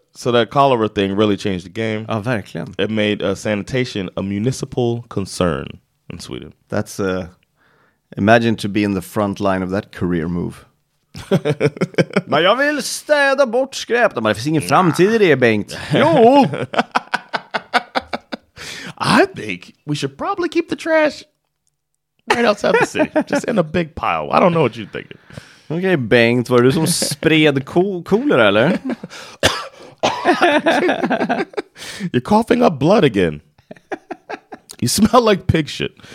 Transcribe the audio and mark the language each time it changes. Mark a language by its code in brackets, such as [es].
[en] So that cholera thing really changed the game. [sv] Ja, verkligen. [en] It made sanitation a municipal concern in Sweden. That's imagine to be in the front line of that career move. [sv] Men jag vill städa bort skräp. Det finns ingen framtid i det, Bengt. Jo! [en] I think we should probably keep the trash right outside the city. Just in a big pile. I don't know what you're thinking. [sv] Okej, Bengt, var du som spred kolera eller? [en] You're coughing up blood again. You smell like pig shit.